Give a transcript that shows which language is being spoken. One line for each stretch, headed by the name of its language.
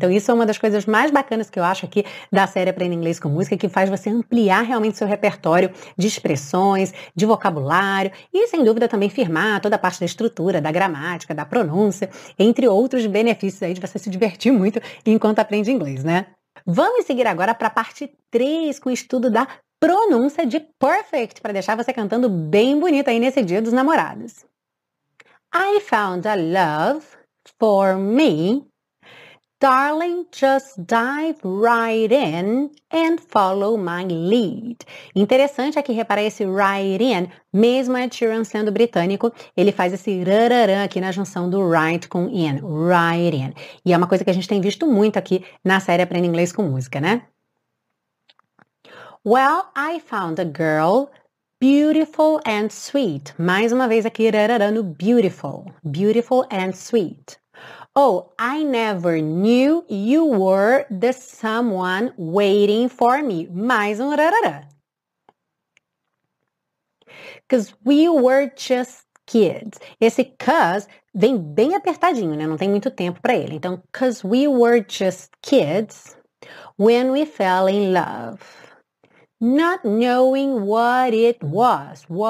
Portuguese: Então, isso é uma das coisas mais bacanas que eu acho aqui da série Aprenda Inglês com Música, que faz você ampliar realmente seu repertório de expressões, de vocabulário e, sem dúvida, também firmar toda a parte da estrutura, da gramática, da pronúncia, entre outros benefícios aí de você se divertir muito enquanto aprende inglês, né? Vamos seguir agora para a parte 3 com o estudo da pronúncia de perfect, para deixar você cantando bem bonito aí nesse Dia dos Namorados.
English: I found a love for me. Darling, just dive right in and follow my lead.
Portuguese: Interessante aqui, reparar esse
English: right in,
Portuguese: mesmo Ed Sheeran sendo britânico, ele faz esse rararã aqui na junção do right com in, right in. E é uma coisa que a gente tem visto muito aqui na série Aprenda Inglês com Música, né?
English: Well, I found a girl beautiful and sweet.
Portuguese: Mais uma vez aqui, rarará no beautiful.
English: Beautiful and sweet. Oh, I never knew you were the someone waiting for me.
Portuguese: Mais um rarará.
English: Because we were just kids.
Portuguese: Esse 'cause vem bem apertadinho, né? Não tem muito tempo para ele.
English: Então, 'cause we were just kids when we fell in love. Not knowing what it was.